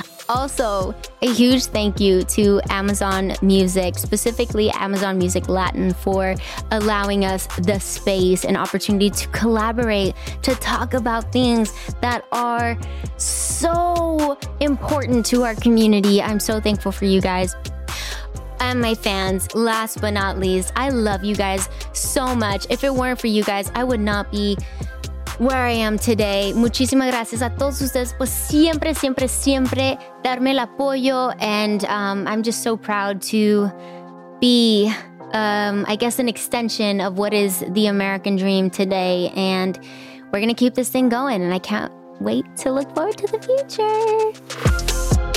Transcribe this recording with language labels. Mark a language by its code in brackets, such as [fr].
[en] Also, a huge thank you to Amazon Music, specifically Amazon Music Latin, for allowing us the space and opportunity to collaborate, to talk about things that are so important to our community. I'm so thankful for you guys. And my fans, last but not least, I love you guys so much. If it weren't for you guys, I would not be where I am today. [es] Muchísimas gracias a todos ustedes por siempre, siempre, siempre darme el apoyo. [en] And I'm just so proud to be, I guess, an extension of what is the American dream today. And we're going to keep this thing going. And I can't wait to look forward to the future.